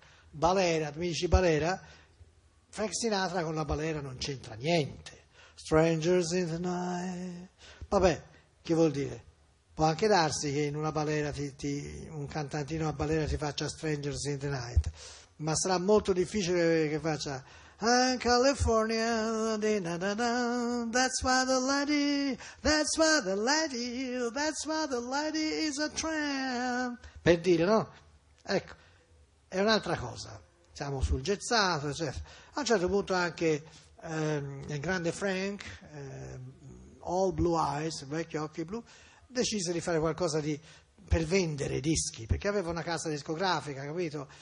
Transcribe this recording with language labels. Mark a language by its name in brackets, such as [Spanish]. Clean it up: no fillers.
[Italian] Balera, tu mi dici balera? Frank Sinatra con la balera non c'entra niente. Strangers in the night. Vabbè, che vuol dire? Può anche darsi che in una balera un cantantino a balera ti faccia Strangers in the night, ma sarà molto difficile che faccia... [English] And California, da da da, that's why the lady, that's why the lady, that's why the lady is a tramp. [Italian] Per dire, no? Ecco, è un'altra cosa. Siamo sul jazzato, certo. A un certo punto anche il grande Frank, [English] all blue eyes, [Italian] vecchi occhi blu, decise di fare qualcosa di per vendere dischi, perché aveva una casa discografica, capito?